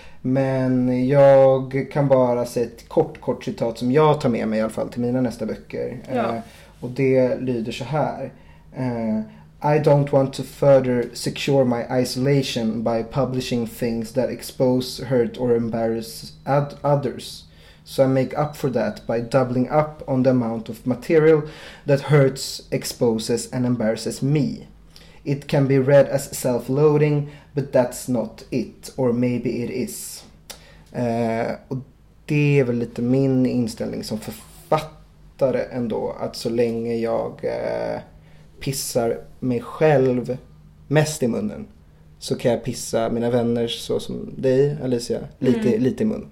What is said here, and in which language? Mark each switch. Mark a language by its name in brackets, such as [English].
[Swedish] Men jag kan bara säga ett kort citat som jag tar med mig i alla fall till mina nästa böcker. Och det lyder så här: [English] I don't want to further secure my isolation by publishing things that expose, hurt or embarrass others. So I make up for that by doubling up on the amount of material that hurts, exposes and embarrasses me. It can be read as self-loading, but that's not it. Or maybe it is. [Swedish] Och det är väl lite min inställning som författare ändå. Att så länge jag pissar mig själv mest i munnen, så kan jag pissa mina vänner så som dig, Alicia, lite i mun.